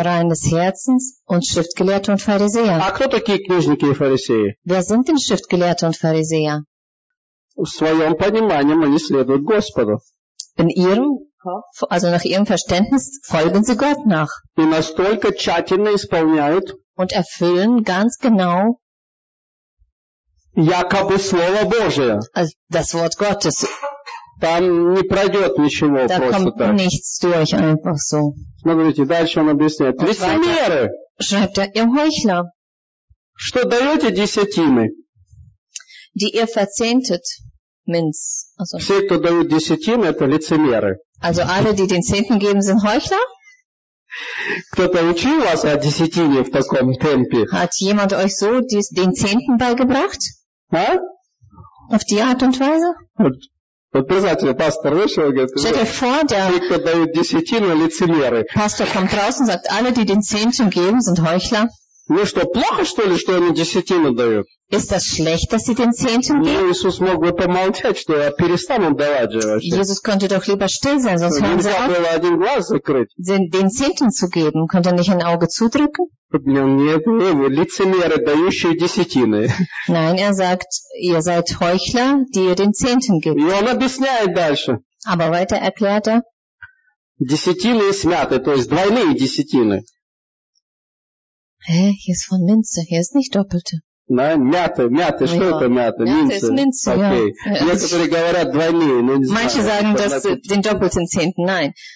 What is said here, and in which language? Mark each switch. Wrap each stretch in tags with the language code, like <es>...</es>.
<de>Reines Herzens und Schriftgelehrte und Pharisäer.</de> <ru>А кто такие книжники и фарисеи?</ru> <de>Wer sind denn Schriftgelehrte und Pharisäer?</de> <ru>В своем понимании они следуют Господу.</ru> <de>In ihrem, also nach ihrem Verständnis, folgen sie Gott nach.</de> <ru>И настолько тщательно исполняют</ru> <de>und erfüllen ganz genau</de> <ru>якобы Слово Божие.</ru> <de>Das Wort Gottes.</de> <ru>Там не пройдет ничего</ru> <de>da</de> <ru>просто</ru> <de>kommt</de> <ru>так.</ru> <de>Nichts durch, einfach so.</de> <ru>Смотрите, дальше он объясняет. Лицемеры.</ru> <de>Schreibt er, ihr Heuchler.</de> <ru>Что даете десятины?</ru> <de>Die ihr verzehntet, Minz. Also,</de> <ru>все, кто дают десятины, это лицемеры.</ru> <de>Also alle, die den Zehnten geben, sind Heuchler?</de> <ru>Кто-то учил вас о десятине в таком темпе?</ru> <de>Hat jemand euch so den Zehnten beigebracht?</de> <ru>А?</ru> <de>Auf die Art und Weise?</de> <ru>Вот признательно, пастор вышел и говорит, все, кто дает десятину, лицемеры.</ru> <de>Пастор kommt raus und sagt, alle, die den Zehnten geben, sind Heuchler.</de> <ru>Ну что, плохо, что ли, что они десятину дают?</ru> <de>Ist das schlecht, dass sie den Zehnten geben?</de> <ru>Ну, Иисус мог бы помолчать, что я перестану давать же вообще.</ru> <de>Jesus könnte doch lieber still sein, sonst hören sie auf.</de> <ru>Было один глаз закрыть.</ru> <de>Den Zehnten zu geben, könnte er nicht ein Auge zudrücken?</de> <ru>Нет, лицемеры, дающие десятины.</ru> <de>Nein, er sagt, ihr seid Heuchler, die ihr den Zehnten gibt.</de> <ru>И он объясняет дальше.</ru> <de>Aber weiter erklärt er.</de> <ru>Десятины и смяты, то есть двойные десятины.</ru> <de>Hä, hier ist von Minze, hier ist nicht doppelte. Nein,</de> <ru>мяты, что это мяты?</ru> <de>Минце, Минце,</de> <en>okay.</en> <de>Ja.</de> <ru>Некоторые говорят двойные, но не знаю.</ru> <de>Manche sagen, dass den doppelten Zehnten, nein.</de>